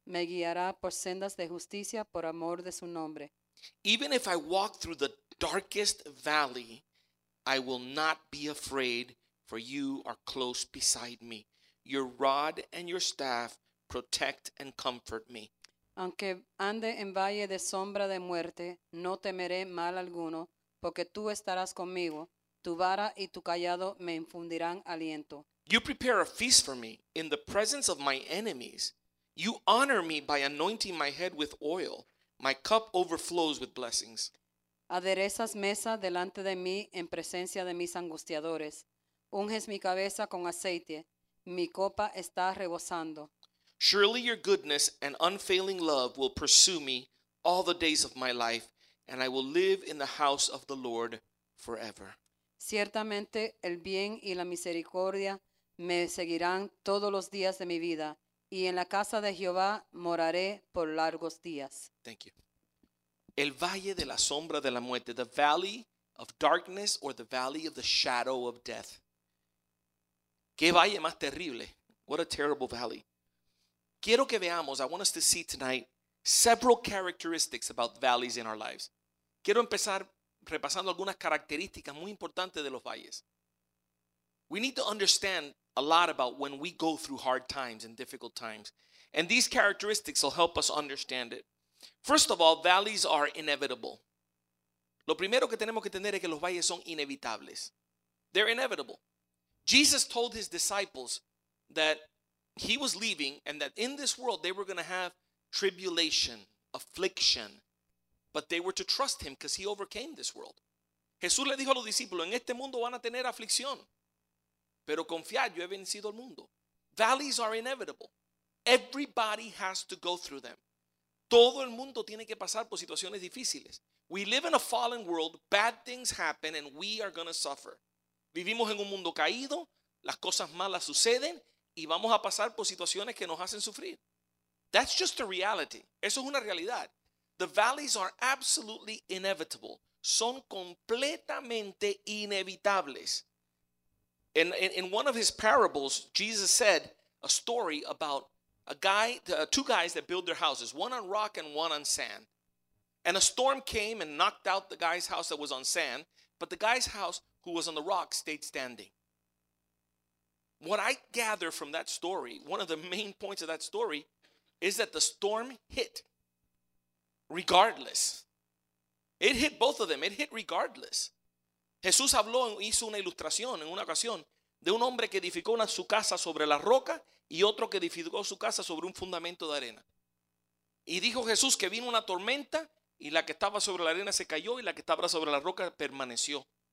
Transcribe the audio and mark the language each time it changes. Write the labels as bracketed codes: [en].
[es] Me guiará por sendas de justicia por amor de su nombre. [en] Even if I walk through the darkest valley, I will not be afraid, for you are close beside me. Your rod and your staff protect and comfort me. [es] Aunque ande en valle de sombra de muerte, no temeré mal alguno, porque tú estarás conmigo. Tu vara y tu callado me infundirán aliento. [en] You prepare a feast for me in the presence of my enemies. You honor me by anointing my head with oil. My cup overflows with blessings. [es] Aderezas mesa delante de mí en presencia de mis angustiadores. Unges mi cabeza con aceite. Mi copa está rebosando. [en] Surely your goodness and unfailing love will pursue me all the days of my life, and I will live in the house of the Lord forever. [es] Ciertamente el bien y la misericordia me seguirán todos los días de mi vida, y en la casa de Jehová moraré por largos días. [en] Thank you. [es] El valle de la sombra de la muerte, [en] the valley of darkness or the valley of the shadow of death. [es] ¿Qué valle más terrible? [en] What a terrible valley. [es] Quiero que veamos, [en] I want us to see tonight, several characteristics about valleys in our lives. [es] Quiero empezar repasando algunas características muy importantes de los valles. [en] We need to understand a lot about when we go through hard times and difficult times. And these characteristics will help us understand it. First of all, valleys are inevitable. [es] Lo primero que tenemos que tener es que los valles son inevitables. [en] They're inevitable. Jesus told his disciples that he was leaving and that in this world they were going to have tribulation, affliction. But they were to trust him because he overcame this world. [es] Jesús le dijo a los discípulos, en este mundo van a tener aflicción. Pero confiad, yo he vencido el mundo. [en] Valleys are inevitable. Everybody has to go through them. [es] Todo el mundo tiene que pasar por situaciones difíciles. [en] We live in a fallen world. Bad things happen and we are going to suffer. [es] Vivimos en un mundo caído. Las cosas malas suceden. Y vamos a pasar por situaciones que nos hacen sufrir. [en] That's just a reality. [es] Eso es una realidad. [en] The valleys are absolutely inevitable. [es] Son completamente inevitables. [en] In one of his parables, Jesus said a story about two guys that build their houses, one on rock and one on sand. And a storm came and knocked out the guy's house that was on sand, but the guy's house who was on the rock stayed standing. What I gather from that story, one of the main points of that story, is that the storm hit regardless. It hit both of them. It hit regardless. [es] Jesús habló, hizo una ilustración en una ocasión de un hombre que edificó su casa sobre la roca y otro que edificó su casa sobre un fundamento de arena. Y dijo Jesús que vino una tormenta y la que estaba sobre la arena se cayó y la que estaba sobre la roca permaneció.